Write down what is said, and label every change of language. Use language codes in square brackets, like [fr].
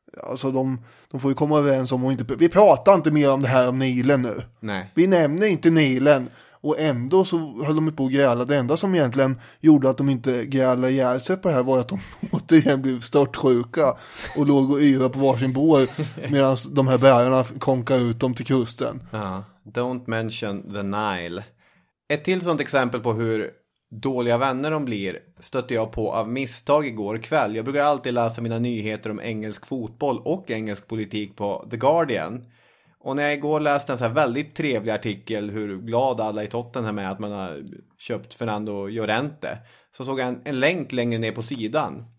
[sv] Alltså de får ju komma överens om och inte, vi pratar inte mer om det här om Nilen nu. Nej. Vi nämner inte Nilen. Och ändå så höll de på att gräla. Det enda som egentligen gjorde att de inte grälade ihjäl sig på det här var att de återigen blev stört sjuka och låg och yra på varsin bår medan de här bärarna konkade ut dem till kusten. [en] Ja, don't mention the Nile. [sv] Ett till sånt exempel på hur dåliga vänner de blir stötte jag på av misstag igår kväll. Jag brukar alltid läsa mina nyheter om engelsk fotboll och engelsk politik på The Guardian. Och när jag igår läste en så här väldigt trevlig artikel hur glad alla i Tottenham är att man har köpt Fernando Llorente, så såg jag en länk längre ner på sidan.